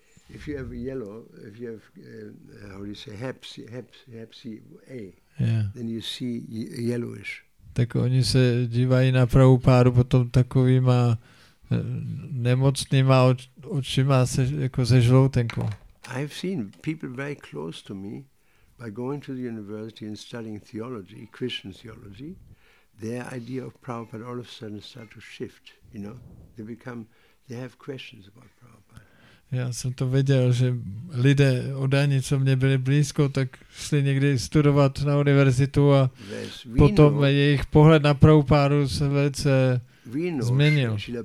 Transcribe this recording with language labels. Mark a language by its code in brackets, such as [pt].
[en] If you have yellow, if you have how do you say Hep C A, then you see yellowish. [cs] Tak oni se dívají na Prabhupádu potom takovýma nemocnýma očima se jako se žloutenkou. [en] I've seen people very close to me by going to the university and studying theology, Christian theology, their idea of Prabhupada all of a sudden start to shift. You know, they have questions about Prabhupada. [cs] Já jsem to věděl, že lidé oddaní, co mě byli blízko, tak šli někdy studovat na univerzitu a potom jejich pohled na Prabhupádu se velice změnil.